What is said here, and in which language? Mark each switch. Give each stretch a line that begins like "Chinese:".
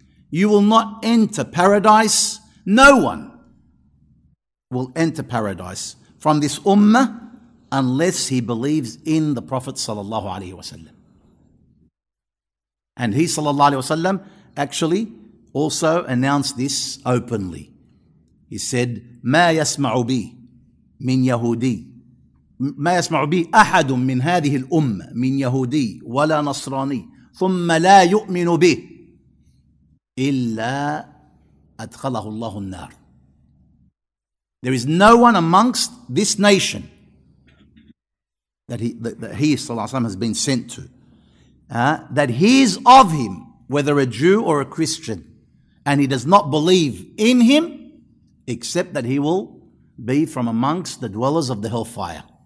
English: You will not enter paradise. No one will enter paradise from this ummah unless he believes in the Prophet sallallahu alayhi wa sallam. And he, sallallahu alayhi wa sallam, actually also announced this openly. He said,
Arabic: مَا يَسْمَعُ بِي مِنْ يَهُودِي ما يسمع بي أحد من هذه الأمة من يهودي ولا نصراني ثم لا يؤمن به إلا أدخله الله النار.
English: There is no one amongst this nation that he
Arabic: صلى الله عليه وسلم
English: has been sent to, that hears of him, whether a Jew or a Christian, and he does not believe in him, except that he will be from amongst the dwellers of the hellfire.